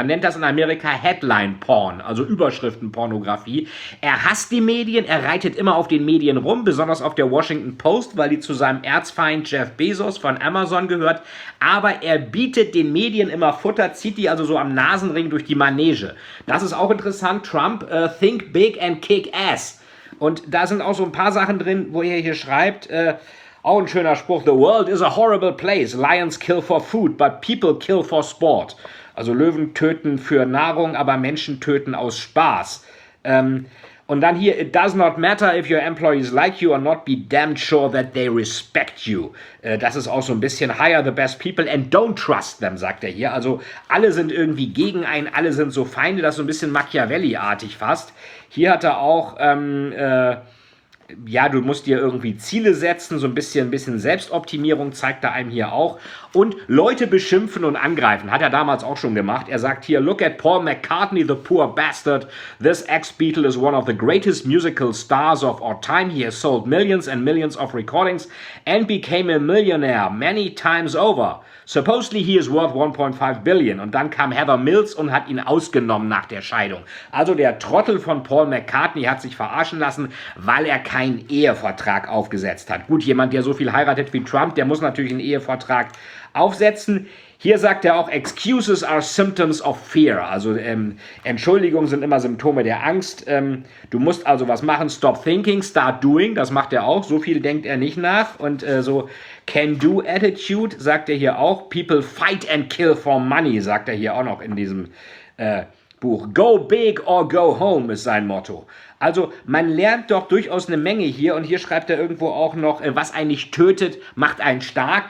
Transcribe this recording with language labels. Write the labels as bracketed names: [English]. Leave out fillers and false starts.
[German] Man nennt das in Amerika Headline-Porn, also Überschriftenpornografie. Er hasst die Medien, er reitet immer auf den Medien rum, besonders auf der Washington Post, weil die zu seinem Erzfeind Jeff Bezos von Amazon gehört. Aber er bietet den Medien immer Futter, zieht die also so am Nasenring durch die Manege. Das ist auch interessant. [English] Trump, think big and kick ass. [German] Und da sind auch so ein paar Sachen drin, wo er hier schreibt, auch ein schöner Spruch, [English] the world is a horrible place, lions kill for food, but people kill for sport. [German] Also Löwen töten für Nahrung, aber Menschen töten aus Spaß. Und dann hier, [English] it does not matter if your employees like you or not, be damn sure that they respect you. [German] Das ist auch so ein bisschen, [English] hire the best people and don't trust them, [German] sagt er hier. Also alle sind irgendwie gegen einen, alle sind so Feinde, das ist so ein bisschen Machiavelli-artig fast. Hier hat er auch ja, du musst dir irgendwie Ziele setzen, so ein bisschen Selbstoptimierung zeigt er einem hier auch. Und Leute beschimpfen und angreifen, hat er damals auch schon gemacht. Er sagt hier, [English] look at Paul McCartney, the poor bastard. This ex-Beatle is one of the greatest musical stars of our time. He has sold millions and millions of recordings and became a millionaire many times over. Supposedly he is worth 1.5 billion. [German] Und dann kam Heather Mills und hat ihn ausgenommen nach der Scheidung. Also der Trottel von Paul McCartney hat sich verarschen lassen, weil er keinen Ehevertrag aufgesetzt hat. Gut, jemand, der so viel heiratet wie Trump, der muss natürlich einen Ehevertrag aufsetzen. Hier sagt er auch, [English] excuses are symptoms of fear. [German] Also Entschuldigungen sind immer Symptome der Angst. Du musst also was machen. [English] Stop thinking, start doing. [German] Das macht er auch. So viel denkt er nicht nach. Und so Can-Do-Attitude sagt er hier auch. [English] People fight and kill for money, [German] sagt er hier auch noch in diesem Buch. [English] Go big or go home [German] ist sein Motto. Also man lernt doch durchaus eine Menge hier. Und hier schreibt er irgendwo auch noch, was einen nicht tötet, macht einen stark.